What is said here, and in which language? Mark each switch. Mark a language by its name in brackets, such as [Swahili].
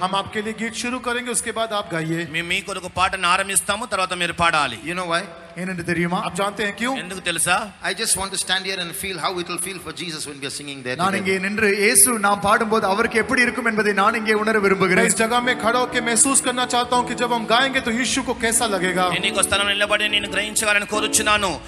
[Hindi] हम आपके लिए गीत शुरू करेंगे उसके बाद आप गाइए. [Telugu] मैं మీ కొరకు పాటను ఆరంభిస్తాము తర్వాత మీరు పాడాలి. [English] You know why? [Telugu] ఏంటంటే తెలుసా? [Hindi] आप जानते हैं क्यों? [Telugu] ఎందుకు తెలుసా? [English] I just want to stand here and feel how it will feel for Jesus when we are singing there. [Tamil] நான் இங்கே நின்று యేసు நாம் பாடும்போது அவருக்கு எப்படி இருக்கும் என்பதை நான் இங்கே உணர விரும்புகிறேன். [Hindi] इस जगह में खड़े होकर महसूस करना चाहता हूं कि जब हम गाएंगे तो యేసు को कैसा लगेगा? [Telugu] నేను ఒక స్థలం నిలబడి నిన్ను గ్రహించాలని కోరుచున్నాను.